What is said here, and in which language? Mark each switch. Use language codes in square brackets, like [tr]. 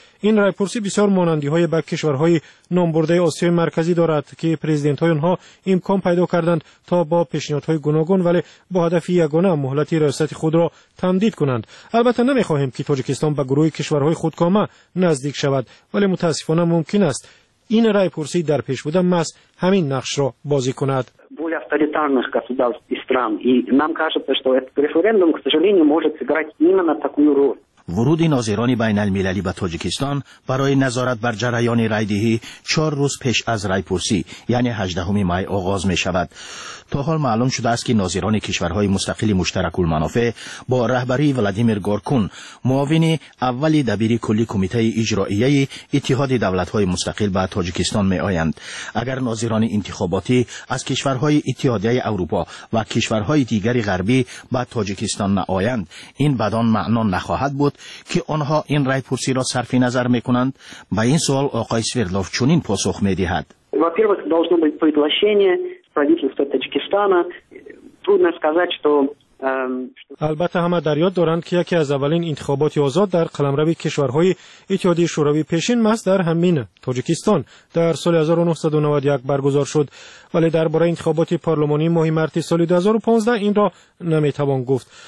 [fa] این رای پرسی بسیار مانندی های به کشورهای نامبرده آسیای مرکزی دارد که پرزیدنت های آنها امکان پیدا کردند تا با پیشنهادهای گوناگون ولی با هدف یگانه مهلت ریاست خود را تمدید کنند. البته نمی خواهیم که تاجیکستان به گروه کشورهای خودکامه نزدیک شود، ولی متاسفانه ممکن است این رای پرسی در پیش بوده ماست همین نقش را بازی کند. [ru] авторитарных государств и стран. И нам кажется, что этот референдум, к сожалению, может сыграть именно такую роль. [fa] ورود ناظران بین المللی به تاجیکستان برای نظارت بر جریان رای‌دهی 4 روز پیش از رای‌پرسی یعنی 18 می آغاز می شود. تا حال معلوم شده است که ناظران کشورهای مستقل مشترک المنافع با رهبری ولادیمیر گورکون، معاون اولی دبیر کلی کمیته اجرائیه اتحاد دولت‌های مستقل به تاجیکستان می آیند. اگر ناظران انتخاباتی از کشورهای اتحادیه اروپا و کشورهای دیگر غربی به تاجیکستان نآیند، این بدان معنا نخواهد بود که آنها این رای پرسی را صرف نظر می کنند. به این سوال آقای سویردلوف چنین پاسخ می دهد. [ru] Во-первых, должно быть предложение правительства Таджикистана. Трудно сказать, что [fa] البته همه در یاد دارند که یکی از اولین انتخابات آزاد در قلمرو کشورهای اتحادیه شوروی پیشین ماست در همین تاجیکستان در سال 1991 برگزار شد، ولی درباره انتخابات پارلمانی ماه مارس سال 2015 این را نمیتوان گفت.